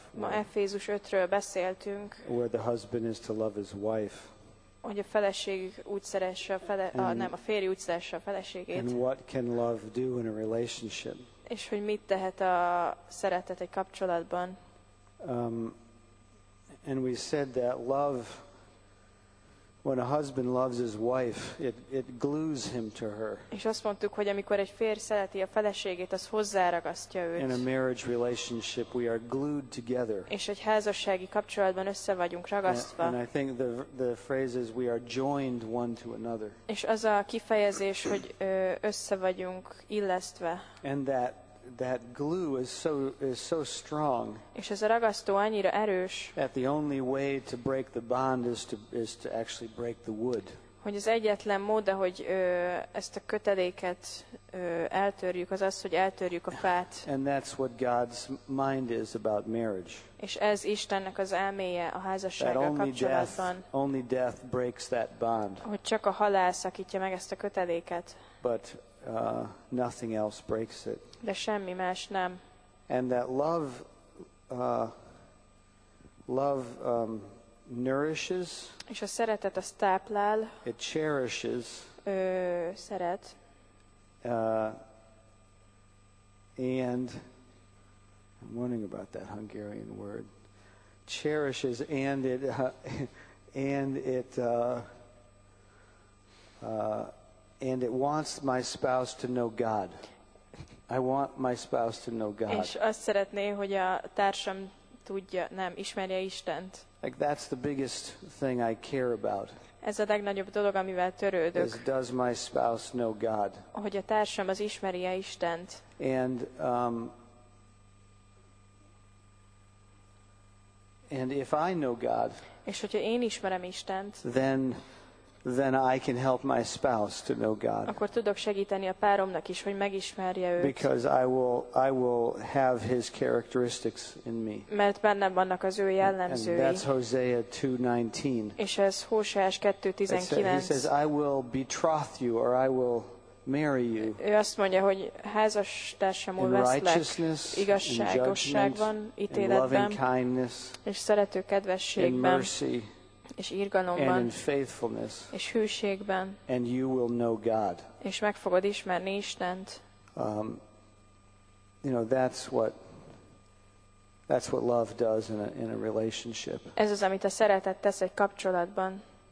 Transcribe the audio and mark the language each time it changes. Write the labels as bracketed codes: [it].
[hu] Ma Efézus 5-ről beszéltünk. [en] Where the husband is to love his wife. [hu] Hogy a feleség úgy szeresse a férj úgy szeresse a feleségét. [en] And what can love do in a relationship? [hu] És hogy mit tehet a szeretet egy kapcsolatban? [en] And we said that love When a husband loves his wife, it glues him to her. [hu] És azt mondtuk, hogy amikor egy férj szereti a feleségét, az hozzáragasztja őt. [en] In a marriage relationship, we are glued together. [hu] És egy házassági kapcsolatban össze vagyunk ragasztva. [en] And I think the phrase is we are joined one to another. [hu] És az a kifejezés, hogy össze vagyunk illesztve. [en] And that glue is so strong. [hu] És ez a ragasztó annyira erős. [en] That the only way to break the bond is to actually break the wood. [hu] Hogy az egyetlen mód, hogy ezt a köteléket eltörjük, az, hogy eltörjük a fát. [en] And that's what God's mind is about marriage. [hu] És ez Istennek az elméje a házassággal kapcsolatban. [en] Only death breaks that bond. [hu] Hogy csak a halál szakítja meg ezt a köteléket. [en] But nothing else breaks it. [hu] De semmi más nem. [en] And that love nourishes. [hu] És a szeretet az táplál. [en] It cherishes. [hu] Szeret. [en] And I'm wondering about that Hungarian word. Cherishes and it wants my spouse to know God. I want my spouse to know God. [hu] És azt szeretné, hogy a társam tudja, nem ismerje Istent. [en] Like that's the biggest thing I care about. [hu] Ez a legnagyobb dolog, amivel törődök. [en] Is does my spouse know God? [hu] Hogy a társam az ismerje Istent. [en] And if I know God. [hu] És hogyha én ismerem Istent. [en] Then I can help my spouse to know God. [hu] Akkor tudok segíteni a páromnak is, hogy megismerje őt. [en] Because I will have his characteristics in me. [hu] Mert bennem vannak az ő jellemzői. [en] And that's Hosea 2:19. [hu] És ez Hósás 2:19. [en] He says, I will betroth you, or I will marry you. [hu] Ő azt mondja, hogy házastársamul veszlek. Igazságosságban, ítéletben, és szerető kedvességben. [en] In mercy. [hu] És írgalomban, [en] and in faithfulness, [hu] és hűségben, [en] and you will know God. [hu] És meg fogod ismerni Istent. [en] That's what love does in a relationship. [hu] Ez az, amit a szeretet tesz egy kapcsolatban.